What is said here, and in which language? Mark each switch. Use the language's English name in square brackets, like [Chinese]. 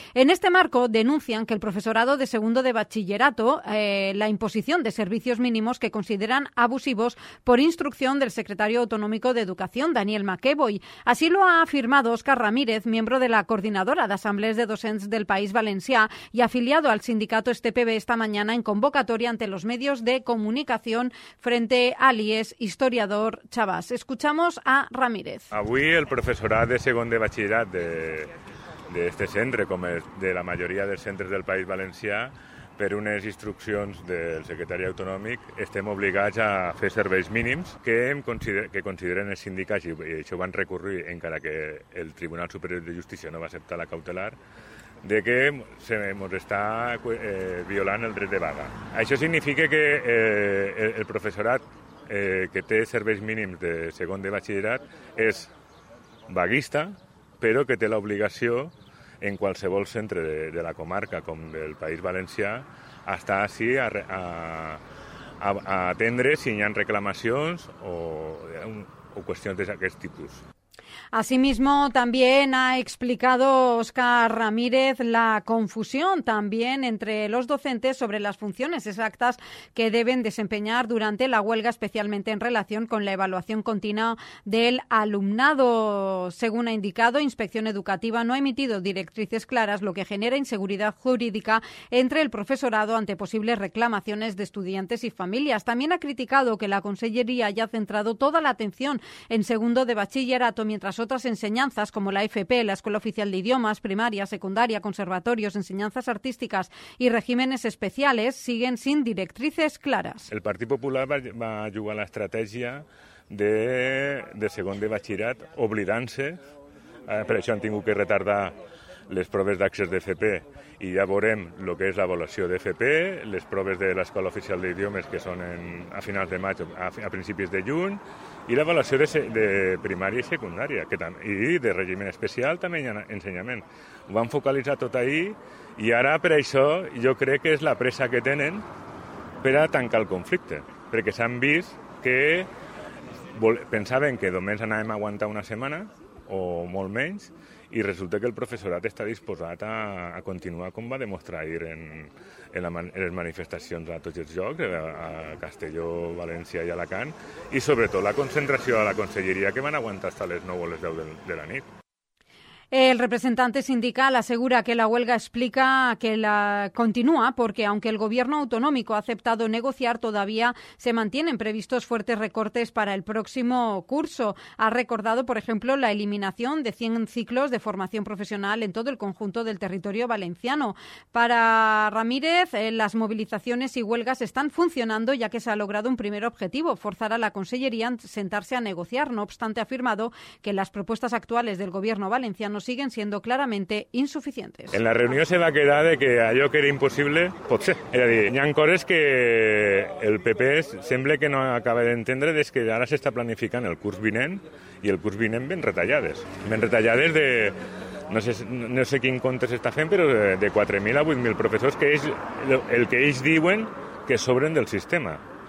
[Spanish] En este marco denuncian que el profesorado de segundo de bachillerato la imposición de servicios mínimos que consideran abusivos por instrucción del secretario autonómico de Educación, Daniel McEvoy. Así lo ha afirmado Óscar Ramírez, miembro de la Coordinadora de Asambleas de Docents del País Valencià y afiliado al sindicato STPB esta mañana en convocatoria ante los medios de comunicación frente al IES Historiador Chavás. Escuchamos a Ramírez. [Catalan] Avui el professorat de segon de batxillerat de este centre, com és de la majoria dels centres del País Valencià, per unes instruccions del secretari autonòmic, estem obligats a fer serveis mínims que consideren els sindicats, i això van recurrir encara que el Tribunal Superior de Justícia no va acceptar la cautelar, de que ens està violant el dret de vaga. Això significa que el professorat que té serveis mínims de segon de batxillerat és vaguista, però que té l'obligació en qualsevol centre de la comarca com del País Valencià està així a atendre si hi ha reclamacions o qüestions d'aquest tipus. [Spanish] Asimismo, también ha explicado Óscar Ramírez la confusión también entre los docentes sobre las funciones exactas que deben desempeñar durante la huelga, especialmente en relación con la evaluación continua del alumnado. Según ha indicado, Inspección Educativa no ha emitido directrices claras, lo que genera inseguridad jurídica entre el profesorado ante posibles reclamaciones de estudiantes y familias. También ha criticado que la consellería haya centrado toda la atención en segundo de bachillerato, mientras otras enseñanzas como la FP, la Escuela Oficial de Idiomas, primaria, secundaria, conservatorios, enseñanzas artísticas y regímenes especiales siguen sin directrices claras. [Catalan] El Partit Popular va jugar la estratègia de segon de batxillerat oblidant-se, per això han tingut que retardar les proves d'accés de FP i ja veurem el que és l'avaluació de FP, les proves de l'Escola Oficial d'Idiomes que són a finals de maig o a principis de juny i l'avaluació de primària i secundària i de règim especial també hi ha ensenyament. Ho van focalitzar tot ahir i ara per això jo crec que és la pressa que tenen per a tancar el conflicte, perquè s'han vist que pensaven que només anàvem a aguantar una setmana o molt menys, i resulta que el professorat està disposat a continuar, com va demostrar ahir en les manifestacions a tots els llocs, a Castelló, València i Alacant, i sobretot la concentració a la conselleria, que van aguantar fins a les 9 o les 10 de la nit. [Spanish] El representante sindical asegura que la huelga explica que la continúa porque, aunque el gobierno autonómico ha aceptado negociar, todavía se mantienen previstos fuertes recortes para el próximo curso. Ha recordado, por ejemplo, la eliminación de 100 ciclos de formación profesional en todo el conjunto del territorio valenciano. Para Ramírez, las movilizaciones y huelgas están funcionando ya que se ha logrado un primer objetivo, forzar a la consellería a sentarse a negociar. No obstante, ha afirmado que las propuestas actuales del gobierno valenciano no siguen siendo claramente insuficientes. [Catalan] En la reunió se va quedar de que allò que era impossible pot ser. És a dir, hi ha coses que el PP sembla que no acaba d'entendre des que ara s'està planificant el curs vinent i el curs vinent ben retallades de, no sé quin compte s'està fent, però de 4.000 a 8.000 professors, que és el que ells diuen que sobren del sistema.